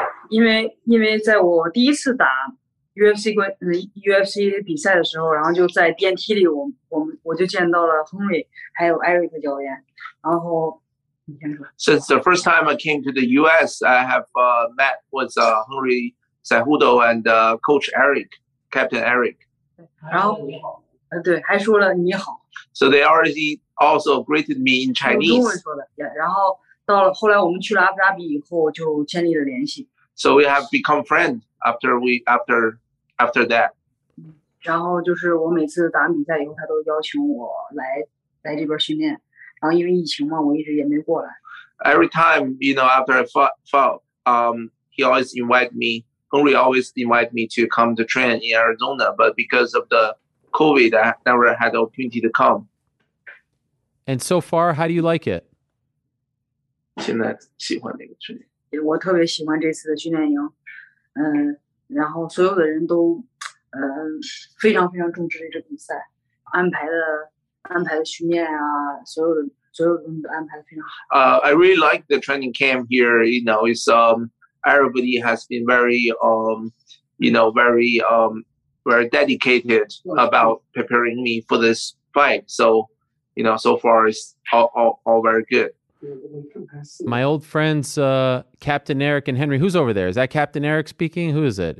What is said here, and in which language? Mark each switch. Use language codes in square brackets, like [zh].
[zh] 因为在我第一次打 UFC比赛的时候 然后就在电梯里 我就见到了亨瑞还有艾瑞克教练 然后 [en] Since the first time I came to the US, I have met with Henry Cejudo and Coach Eric, Captain Eric. [zh] 然后,对,还说了你好 [en] So they already also greeted me in Chinese. [zh] 中文说的,然后 到了后来我们去了阿布扎比以后就建立了联系 [en] So we have become friends after that [zh] 然后就是我每次打完比赛以后他都邀请我来这边训练 然后因为疫情嘛我一直也没过来 [en] Every time, you know, after I fought he always invited me Henry always invited me to come to train in Arizona but because of the COVID I never had the opportunity to come And so far, how do you like it? [zh] 现在喜欢这个训练，我特别喜欢这次的训练营，然后所有的人都非常非常重视这个比赛，安排的训练啊，所有的人都安排的非常好。 [en] I really like the training camp here. You know, it's everybody has been very you know, very dedicated about preparing me for this fight. So, you know, so far it's all very good. My old friends, Captain Eric and Henry, who's over there? Is that Captain Eric speaking? Who is it?